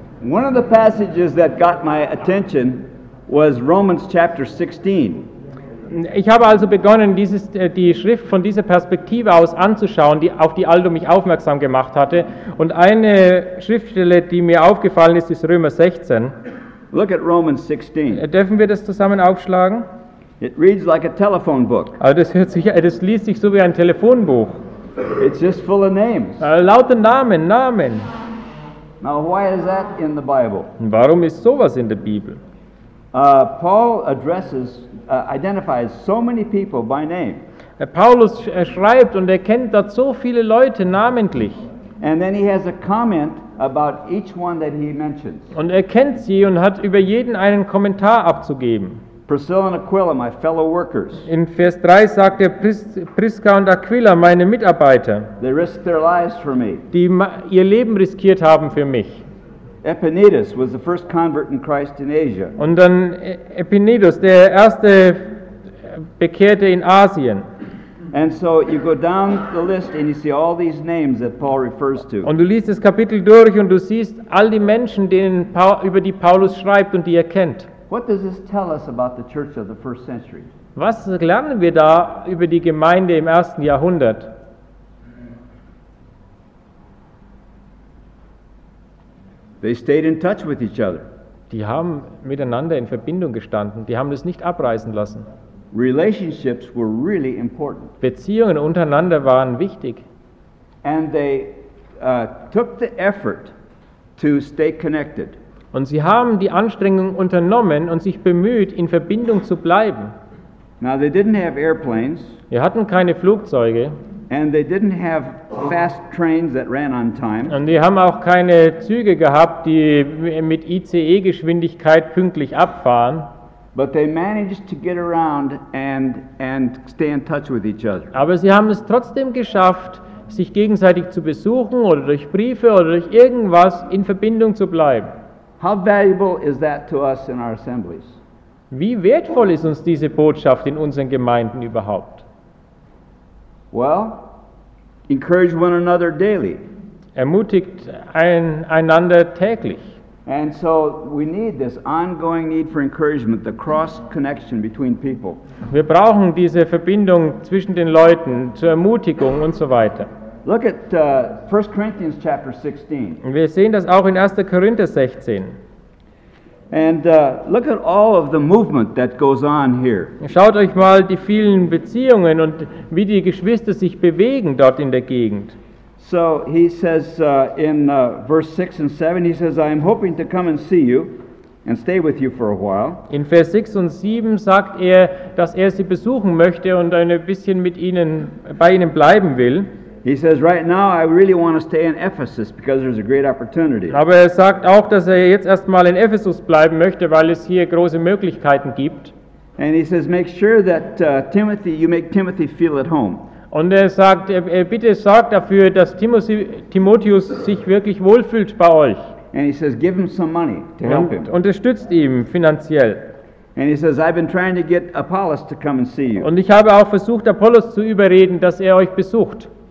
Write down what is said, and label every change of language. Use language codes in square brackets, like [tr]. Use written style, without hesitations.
[en] One of the passages that got my attention was Romans chapter 16. [de] Ich habe also begonnen, die Schrift von dieser Perspektive aus anzuschauen, auf die Aldo mich aufmerksam gemacht hatte. Und eine Schriftstelle, die mir aufgefallen ist Römer 16. [en] Look at Romans 16. [de] Dürfen wir das zusammen aufschlagen? [en] It reads like a telephone book. [de] Also das liest sich so wie ein Telefonbuch. [en] It's just full of names. [de] Lauter Namen. [en] Now, why is that in the Bible? [de] Warum ist sowas in der Bibel? [en] Paul identifies so many people by name. [de] Paulus schreibt und er kennt dort so viele Leute namentlich. [en] And then he has a comment about each one that he mentions. [de] Und er kennt sie und hat über jeden einen Kommentar abzugeben. [en] Priscilla and Aquila, my fellow workers. [de] In Vers 3 sagt er Prisca und Aquila, meine Mitarbeiter. [en] They risked their lives for me. [de] Die ihr Leben riskiert haben für mich. [en] Epaphroditus was the first convert in Christ in Asia. [de] Und dann Epaphroditus, der erste Bekehrte in Asien. [en] And so you go down the list and you see all these names that Paul refers to. [de] Und du liest das Kapitel durch und du siehst all die Menschen, denen über die Paulus schreibt und die er kennt. [en] What does this tell us about the church of the first century? [de] Was lernen wir da über die Gemeinde im ersten Jahrhundert? [en] They stayed in touch with each other. [de] Die haben miteinander in Verbindung gestanden. Die haben das nicht abreißen lassen. [en] Relationships were really important. [de] Beziehungen untereinander waren wichtig. [en] And they took the effort to stay connected. [de] Und sie haben die Anstrengung unternommen und sich bemüht, in Verbindung zu bleiben. [en] Now they didn't have airplanes. [de] Sie hatten keine Flugzeuge. [en] And they didn't have fast trains that ran on time. [de] Und sie haben auch keine Züge gehabt, die mit ICE-Geschwindigkeit pünktlich abfahren. [en] But they managed to get around and stay in touch with each other. [de] Aber sie haben es trotzdem geschafft, sich gegenseitig zu besuchen oder durch Briefe oder durch irgendwas in Verbindung zu bleiben. [en] How valuable is that to us in our assemblies? [de] Wie wertvoll ist uns diese Botschaft in unseren Gemeinden überhaupt? [en] Well, encourage one another daily. [de] Ermutigt einander täglich. [en] And so we need this ongoing need for encouragement, the cross connection between people. [de] Wir brauchen diese Verbindung zwischen den Leuten zur Ermutigung und so weiter. [en] Look at 1 Corinthians chapter 16. [de] Wir sehen das auch in 1. Korinther 16. [en] And look at all of the movement that goes on here. [de] Schaut euch mal die vielen Beziehungen und wie die Geschwister sich bewegen dort in der Gegend. [en] So he says in verse 6 and 7, he says, I am hoping to come and see you and stay with you for a while. [de] In Vers 6 und 7 sagt er, dass er sie besuchen möchte und ein bisschen mit ihnen bei ihnen bleiben will. [en] He says, right now I really want to stay in Ephesus because there's a great opportunity. [de] Aber er sagt auch, dass er jetzt erstmal in Ephesus bleiben möchte, weil es hier große Möglichkeiten gibt. [en] And he says, make sure that you make Timothy feel at home. [de] Und er sagt, bitte sorgt dafür, dass Timotheus sich wirklich wohlfühlt bei euch. [en] And he says, give him some money to help him. [de] Unterstützt ihn finanziell. [en] And he says, I've been trying to get Apollos to come and see you. [de] Und ich habe auch versucht, Apollos zu überreden, dass er euch besucht.